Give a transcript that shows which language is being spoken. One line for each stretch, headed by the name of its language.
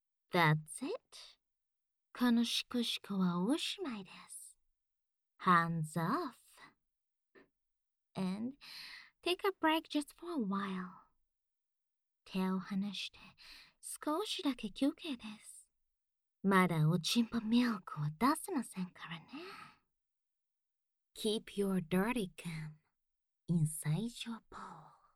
Japanese: 他のシコシコはおしまいです。
English: Hands off. And take a break just for a while.
Japanese: 手を離して少しだけ休憩です。まだおちんぽミルクを出せませんからね。
English: Keep your dirty cum inside your paw.